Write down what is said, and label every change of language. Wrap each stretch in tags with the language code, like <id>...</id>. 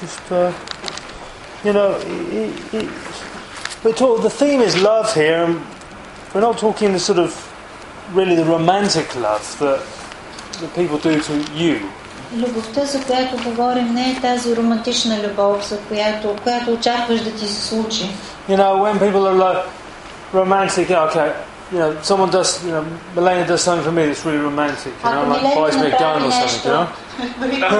<en>The theme is love here, and we're not talking the sort of really the romantic love that people do to you.</en> <bg>Любовта, за която говорим, не е тази романтична любов, за която очакваш да ти се случи.</bg> <en>You know, when people are like romantic, okay. You know, someone does, you know, Melania does something for me that's really romantic, you know, like buys me a gun or something, you</en>